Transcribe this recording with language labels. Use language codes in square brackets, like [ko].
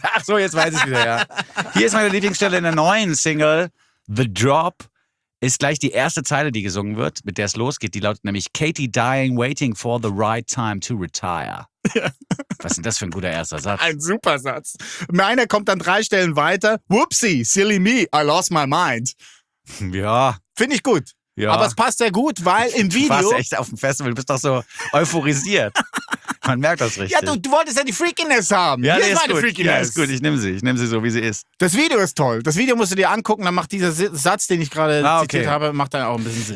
[de] Ach so, jetzt weiß ich wieder, ja. Hier ist meine Lieblingsstelle in der neuen Single. The Drop ist gleich die erste Zeile, die gesungen wird, mit der es losgeht. Die lautet nämlich [en] Katie dying, waiting for the right time to retire. [de] Ja. Was ist denn das für ein guter erster Satz? Ein super Satz. Meiner kommt dann drei Stellen weiter. [en] Whoopsie, silly me, I lost my mind. [de] Ja. Finde ich gut. Ja. Aber es passt sehr gut, weil im Video... Du warst echt auf dem Festival, du bist doch so euphorisiert. Man merkt das richtig. Ja, du wolltest ja die Freakiness haben. Ja, hier nee, ist meine Freakiness. Ja, ist gut, ich nehme sie. Ich nehme sie so, wie sie ist. Das Video ist toll. Das Video musst du dir angucken, dann macht dieser Satz, den ich gerade zitiert habe, macht dann auch ein bisschen Sinn.